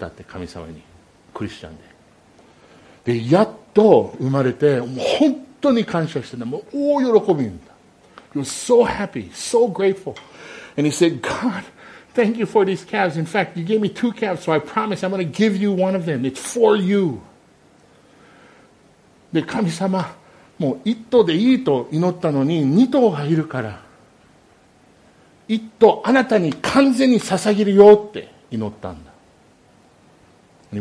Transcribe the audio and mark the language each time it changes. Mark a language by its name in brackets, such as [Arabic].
[Japanese] もうずっと子牛が生まれるために、産むために、ずっと祈ってたって神様に、クリスチャンで。で、やっと生まれて、本当に感謝してた、もう大喜びんだ。 [English] He was so happy, so grateful. And he said, God, thank you for these calves. In fact, you gave me two calves, so I promise I'm going to give you one of them. It's for you. [Japanese] で、神様、もう一頭でいいと祈ったのに、二頭がいるから、一頭あなたに完全に捧げるよって祈ったんだ。He